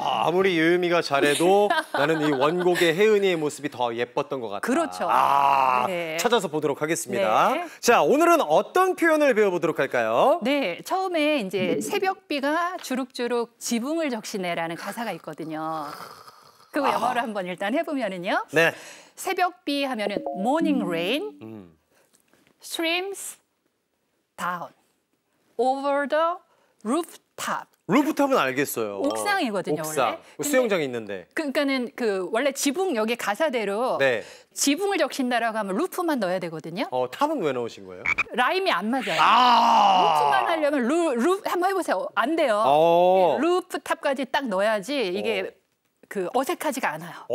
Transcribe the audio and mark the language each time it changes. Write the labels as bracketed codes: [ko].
[ko] 아무리 요요미가 잘해도 나는 이 원곡의 혜은이의 모습이 더 예뻤던 것 같아. 그렇죠. 아, 네. 찾아서 보도록 하겠습니다. 네. 자, 오늘은 어떤 표현을 배워보도록 할까요? 네, 처음에 이제 새벽비가 주룩주룩 지붕을 적시네라는 가사가 있거든요. 그 영어를 한번 일단 해보면은요. 네. 새벽비 하면은 [en] morning rain, streams down over the rooftop. [ko] 루프탑은 알겠어요. 옥상이거든요. 옥상. 원래. 수영장이 있는데. 그러니까는 그 원래 지붕 여기 가사대로 네. 지붕을 적신다라고 하면 루프만 넣어야 되거든요. 탑은 왜 넣으신 거예요? 라임이 안 맞아요. 아~ 루프만 하려면 루 한번 해보세요. 안 돼요. 루프탑까지 딱 넣어야지 이게 그 어색하지가 않아요.